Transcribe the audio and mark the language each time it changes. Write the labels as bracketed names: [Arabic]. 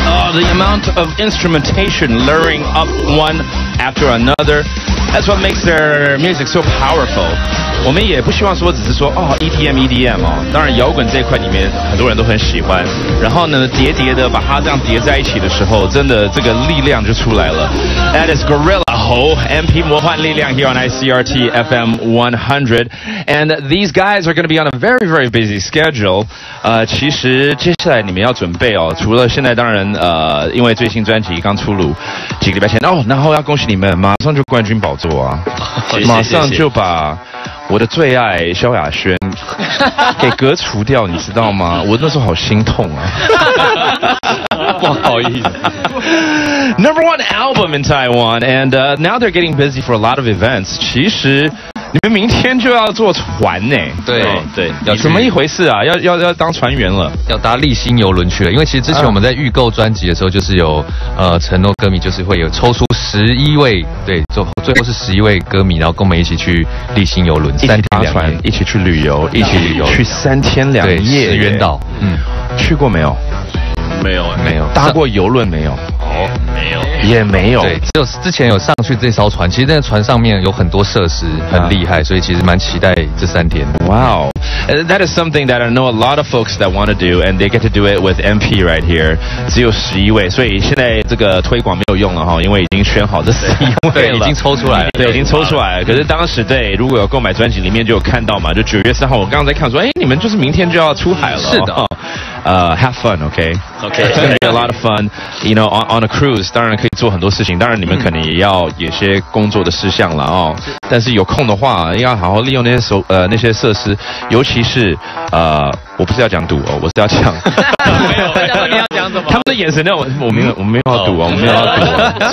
[English] The amount of instrumentation luring up one after another, that's what makes their music so powerful. [Chinese] 我们也不希望说只是说哦 EDM EDM 哦，当然摇滚这块里面很多人都很喜欢，然后呢叠叠的把它这样叠在一起的时候，真的这个力量就出来了。 [English] That is Gorilla Hole MP 魔幻力量 here on ICRT FM 100 and these guys are going to be on a very very busy schedule。 [Chinese] 其实接下来你们要准备哦，除了现在当然因为最新专辑刚出炉几个礼拜前哦，然后要恭喜你们马上就冠军宝座啊，马上就把我的最爱萧亚轩给革除掉，你知道吗？我那时候好心痛啊，不好意思。 [English] Number one album in Taiwan, and now they're getting busy for a lot of events. [Chinese] 其实你们明天就要坐船呢、欸？对、哦、对，要怎么一回事啊？要当船员了？要搭立新游轮去了？因为其实之前我们在预购专辑的时候，就是有承诺歌迷，就是会有抽出11位，对，最后是11位歌迷，然后跟我们一起去立新游轮，三天两夜，一起去旅游，一起旅游，去三天两夜，石垣岛，去过没有？没有、欸，没有搭过游轮没有？没有，也没有。对，只有之前有上去这艘船，其实那个船上面有很多设施，很厉害，所以其实蛮期待这三天。 [English] Wow, that is something that I know a lot of folks that want to do, and they get to do it with MP right here. [Chinese] 只有十一位，所以现在这个推广没有用了哈，因为已经选好这十一位了，已经抽出来了，对，已经抽出来了。可是当时对，如果有购买专辑，里面就有看到嘛，就九月三号，我刚刚在看说，哎，你们就是明天就要出海了，是的。 [English] Have fun, okay? Okay. It's gonna be a lot of fun, you know, on a cruise. [Chinese] 当然可以做很多事情，当然你们可能也要有些工作的事项啦哦。但是有空的话，要好好利用那些设施，尤其是我不是要讲赌哦，我是要讲。没有，你要讲什么？他们的眼神呢？我没有要赌哦，我没有要赌。